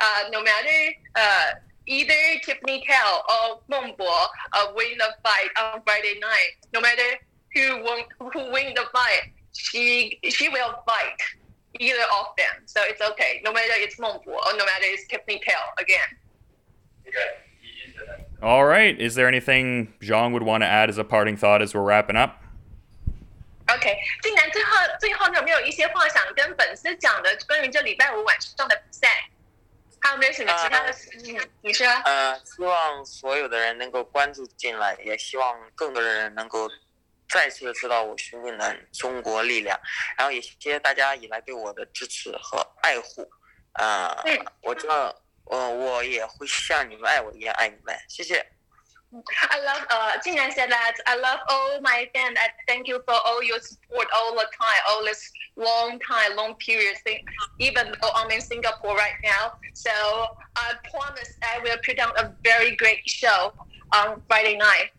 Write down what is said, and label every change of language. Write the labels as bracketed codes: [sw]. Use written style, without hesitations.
[en] No matter either Tiffany Tao or Meng Bo win the fight on Friday night, no matter who win the fight, she will fight either of them. So it's okay. No matter it's Meng Bo or no matter it's Tiffany Tao again. All right. Is there anything Zhang would want to add as a parting thought as we're wrapping up? Okay. [zh] 竟然最后有没有一些话想跟粉丝讲的关于这礼拜五晚上的比赛？还有没有什么其他的事情？你说。希望所有的人能够关注进来，也希望更多的人能够再次知道我兄弟的中国力量。然后也谢谢大家以来对我的支持和爱护。我知道。我也会像你们爱我一样爱你们，谢谢。 [en] I love, Jinan said that I love all my fans. I thank you for all your support all the time, all this long period, even though I'm in Singapore right now. So I promise I will put on a very great show on Friday night.